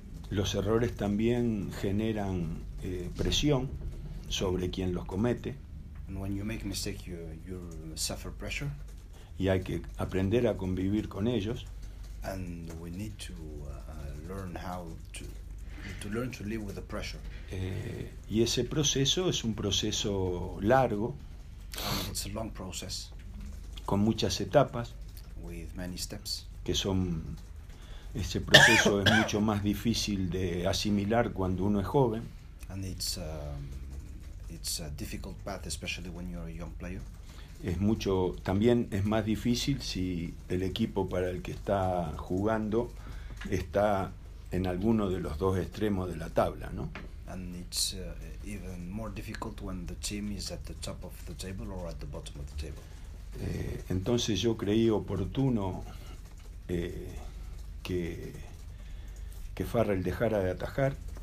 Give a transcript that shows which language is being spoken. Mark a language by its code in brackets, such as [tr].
[es] Los errores también generan presión sobre quien los comete. [en] And when you make mistake, you suffer pressure. [es] Y hay que aprender a convivir con ellos. [en] And we need to learn how to learn to live with the pressure. [es] Y ese proceso es un proceso largo. [en] And it's a long process. [es] Con muchas etapas. [en] With many steps. [es] Que son ese proceso es mucho más difícil de asimilar cuando uno es joven. [en] And it's a difficult path, especially when you're a young player. [es] Es mucho, también es más difícil si el equipo para el que está jugando está en alguno de los dos extremos de la tabla, ¿no? [en] And it's even more difficult when the team is at the top of the table or at the bottom of the table. [es] Entonces yo creí oportuno que Farrell dejara de atajar.